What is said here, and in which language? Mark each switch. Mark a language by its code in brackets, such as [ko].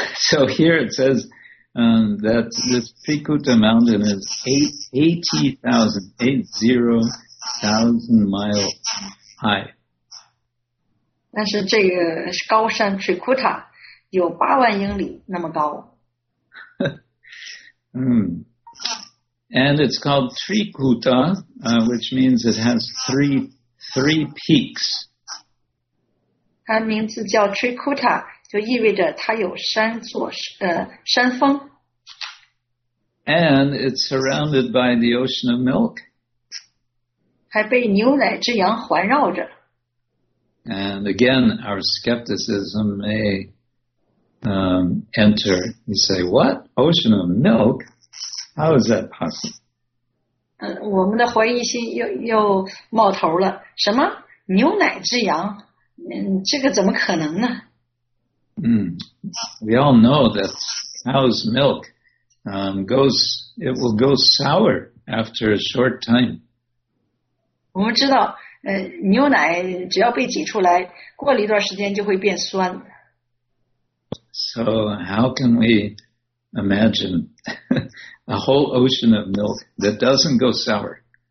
[en] So here it says that this Chikuta mountain is 80,000 miles high. [zh] 但是这个高山 Chikuta 有八万英里那么高。 [en] And it's called Chikuta, which means it has three peaks. [zh] 它名字叫 Chikuta。就意味着它有山座山峰。 [en] And it's surrounded by the ocean of milk. [zh] 还被牛奶之羊环绕着。 [en] And again, our skepticism may enter. You say, what? Ocean of milk? How is that possible? [zh] 我们的怀疑心又冒头了。什么？牛奶之羊？这个怎么可能呢？ [en] We all know that cow's milk it will go sour after a short time. [zh] 我们知道，牛奶只要被挤出来，过了一段时间就会变酸。 [en] So how can we imagine a whole ocean of milk that doesn't go sour?